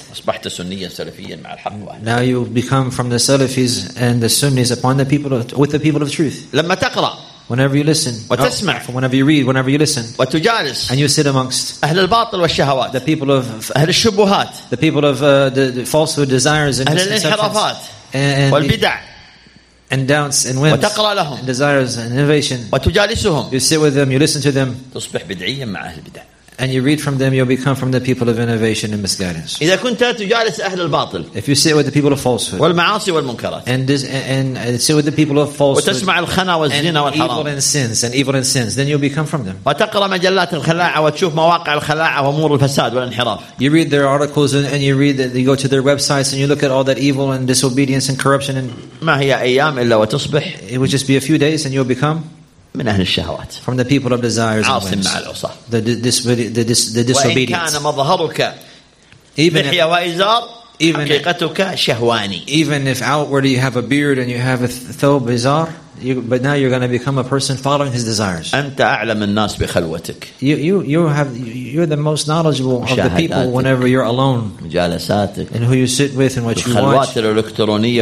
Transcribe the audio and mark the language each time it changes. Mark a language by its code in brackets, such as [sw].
[ar] أصبحت سنيا سلفيا مع الحق. [en] Now you become from the Salafis and the Sunnis upon the people of, with the people of truth. [ar] لما تقرأ. [en] Whenever you listen. [ar] وتسمع. [en] Whenever you read. Whenever you listen. [ar] وتجالس. [en] And you sit amongst. [ar] أهل الباطل والشهوات. [en] The people of. [ar] أهل الشبهات. [en] The people of the falsehood, desires and misconceptions. [ar] أهل الانحرافات. والبدع. [en] And doubts and whims. [ar] وتقرأ لهم. [en] And desires and innovation. [ar] وتجالسهم. [en] You sit with them. You listen to them. [ar] تصبح بدعيا مع أهل البدع. [en] And you read from them, you'll become from the people of innovation and misguidance. [ar] إذا كنت تجالس أهل الباطل. [en] If you sit with the people of falsehood. [ar] والمعاصي والمنكرات. [en] And sit with the people of falsehood. [ar] وتسمع الخنا والزنا والحرام. [en] And evil and sins. Then you'll become from them. [ar] وتقرأ مجلات الخلاعة وتشوف مواقع الخلاعة وأمور الفساد والانحراف. [en] You read their articles and you read that you go to their websites and you look at all that evil and disobedience and corruption and. [ar] ما هي أيام إلا وتصبح. [en] It would just be a few days and you'll become. [ar] من أهل الشهوات. [en] From the people of desires and [ar] عاصم مع العصاة. [en] The disobedience. [ar] وإن كان مظهرك محيا وإزار حقيقتك شهواني. [en] Even if outwardly you have a beard and you have a thobe izar, but now you're going to become a person following his desires. [ar] أنت أعلم الناس بخلوتك. [en] You're the most knowledgeable of the people whenever you're alone. [ar] مجالساتك. [en] And who you sit with and what you watch. [ar] الخلوات الإلكترونية.